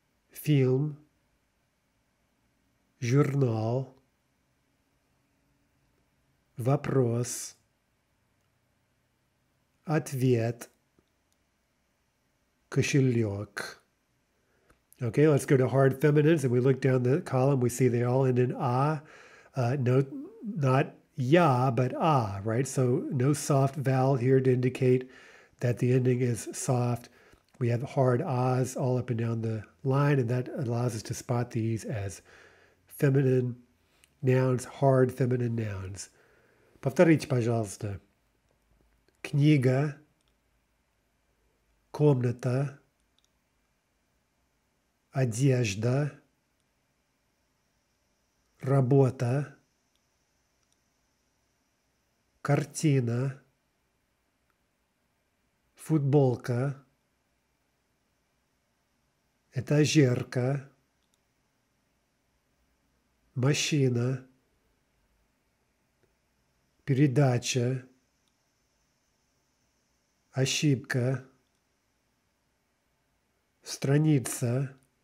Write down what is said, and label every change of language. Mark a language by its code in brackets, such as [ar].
[ru] фильм, журнал, вопрос, ответ, кошелек. [en] Okay, let's go to hard feminines, and we look down the column. We see they all end in a. Not ya, but a, right? So no soft vowel here to indicate that the ending is soft. We have hard ahs all up and down the line, and that allows us to spot these as feminine nouns, hard feminine nouns. [ru] Повторите, пожалуйста. Книга, комната, одежда, работа, картина, футболка, этажерка, машина, передача, ошибка, страница,